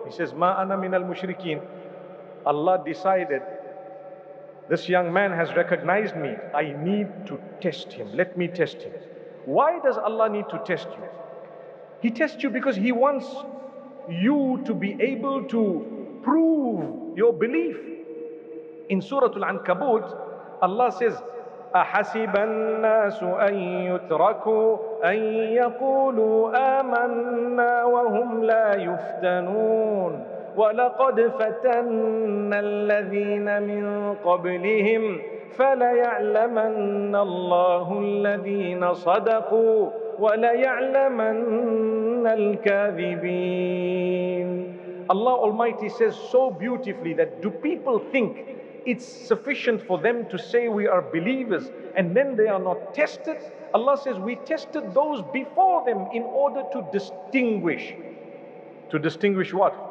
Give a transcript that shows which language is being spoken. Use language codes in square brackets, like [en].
[en] He says, [ar] "Ma ana min al-mushrikeen." [en] Allah decided, this young man has recognized me. I need to test him. Let me test him. Why does Allah need to test you? He tests you because he wants you to be able to prove your belief. In Surah Al-Ankabut, Allah says, [ar] أَحَسِبَ النَّاسُ أَن يُتْرَكُوا أَن يَقُولُوا آمَنَّا وَهُمْ لَا يُفْتَنُونَ وَلَقَدْ فَتَنَّ الَّذِينَ مِنْ قَبْلِهِمْ فَلَيَعْلَمَنَّ اللَّهُ الَّذِينَ صَدَقُوا وَلَيَعْلَمَنَّ الْكَاذِبِينَ. [en] Allah Almighty says so beautifully that do people think it's sufficient for them to say we are believers and then they are not tested? Allah says we tested those before them in order to distinguish. To distinguish what?